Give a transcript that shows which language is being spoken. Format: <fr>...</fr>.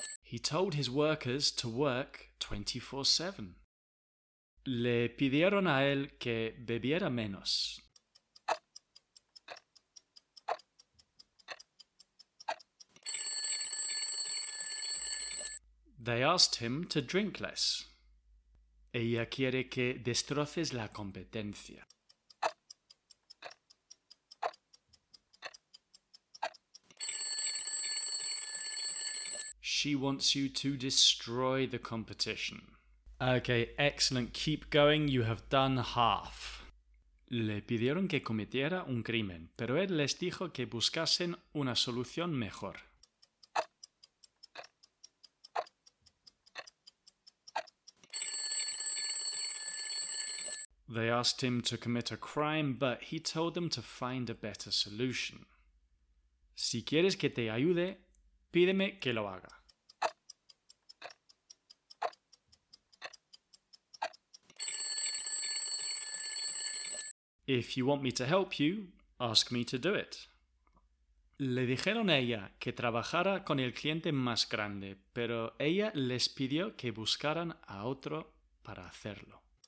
<en>He told his workers to work 24/7.</en> <es>Le pidieron a él que bebiera menos.</es> <en>They asked him to drink less.</en> <es>Ella quiere que destroces la competencia.</es> <en>She wants you to destroy the competition. Okay, excellent. Keep going. You have done half.</en> <es>Le pidieron que cometiera un crimen, pero él les dijo que buscasen una solución mejor.</es> <en>They asked him to commit a crime, but he told them to find a better solution.</en> <es>Si quieres que te ayude, pídeme que lo haga.</es> <en>If you want me to help you, ask me to do it.</en> <es>Le dijeron a ella que trabajara con el cliente más grande, pero ella les pidió que buscaran a otro para hacerlo.</es>